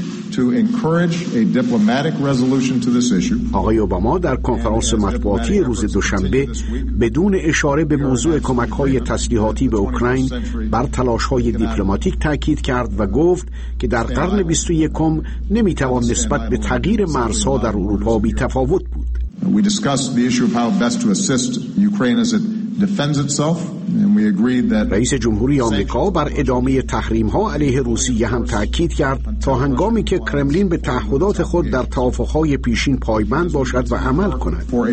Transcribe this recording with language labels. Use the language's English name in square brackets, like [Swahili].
[English] To encourage a diplomatic resolution to this issue. [Persian] آقای اوباما در کنفرانس مطبوعاتی روز دوشنبه بدون اشاره به موضوع کمک‌های تسلیحاتی به اوکراین بر تلاش‌های دیپلماتیک تأکید کرد و گفت که در قرن 21 نمی‌توان نسبت به تغییر مرزها در اروپا بی تفاوت بود. [English] We discussed the issue of how best to assist Ukraine as it defends itself. [Persian] رئیس جمهوری آمریکا بر ادامه تحریم‌ها علیه روسیه هم تأکید کرد تا هنگامی که کرملین به تعهدات خود در توافق‌های پیشین پایبند باشد و عمل کند.